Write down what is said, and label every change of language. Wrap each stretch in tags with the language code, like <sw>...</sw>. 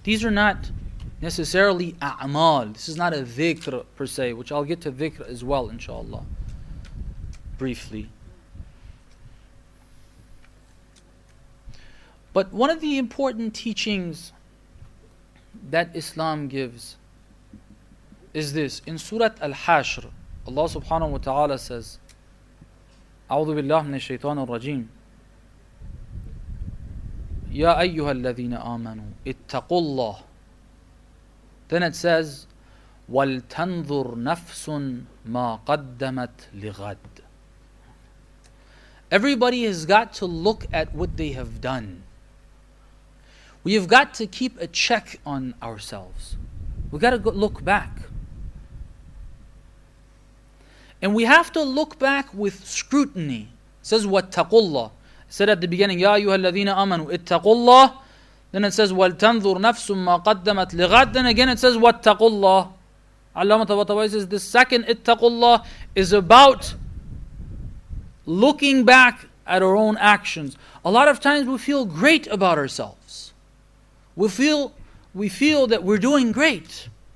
<en>These are not necessarily a'mal. This is not a dhikr per se, which I'll get to dhikr as well, inshallah, briefly. But one of the important teachings that Islam gives is this. In Surah Al-Hashr, Allah subhanahu wa ta'ala says,</en> <ar>أعوذ بالله من الشيطان الرجيم يا أيها الذين آمنوا اتقوا الله.</ar> <en>Then it says,</en> <ar>وَلْتَنْظُرْ نَفْسٌ مَا قَدَّمَتْ لِغَدْ.</ar> <en>Everybody has got to look at what they have done. We have got to keep a check on ourselves. We've got to look back. And we have to look back with scrutiny. It says,</en> <ar>وَاتَّقُوا اللَّهِ.</ar> <en>It said at the beginning,</en> <ar>يَا أَيُّهَا الَّذِينَ آمَنُوا اتَّقُوا اللَّهِ.</ar> <en>Then it says,</en> <ar>وَلْتَنْظُرْ نَفْسٌ مَّا قَدَّمَتْ لِغَدْ.</ar> <en>Then again it says,</en> <ar>وَاتَّقُوا اللَّهِ.</ar> <en>Allama Tabatabai says, the second</en> <ar>اتَّقُوا اللَّهِ</ar> <en>is about looking back at our own actions. A lot of times we feel great about ourselves. We feel that we're doing great.</en>